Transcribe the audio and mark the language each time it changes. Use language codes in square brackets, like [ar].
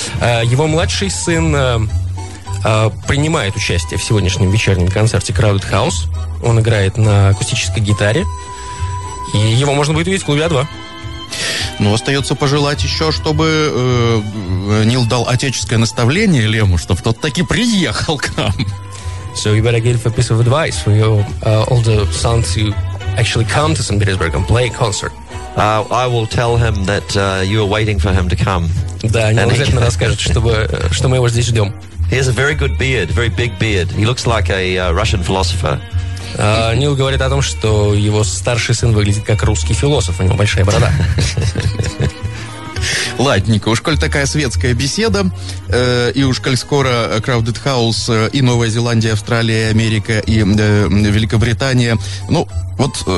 [ru] Его младший сын принимает участие в сегодняшнем вечернем концерте Crowded House. Он играет на акустической гитаре. И его можно будет увидеть в клубе А2. Ну, остается пожелать еще, чтобы Нил дал отеческое наставление Лему, чтобы тот таки приехал к нам. [en] So you better give a piece of advice for your older son to actually come to St. Petersburg and play a concert. I will tell him that you are waiting for him to come. [ru] Да, он обязательно расскажет, что мы его здесь ждем. [en] He has a very good beard, very big beard. He looks like a Russian philosopher. [ru] Нил говорит о том, что его старший сын выглядит как русский философ. У него большая борода. Ладненько, уж коль такая светская беседа, и уж коль скоро Crowded House и Новая Зеландия, Австралия, Америка и Великобритания, ну, вот...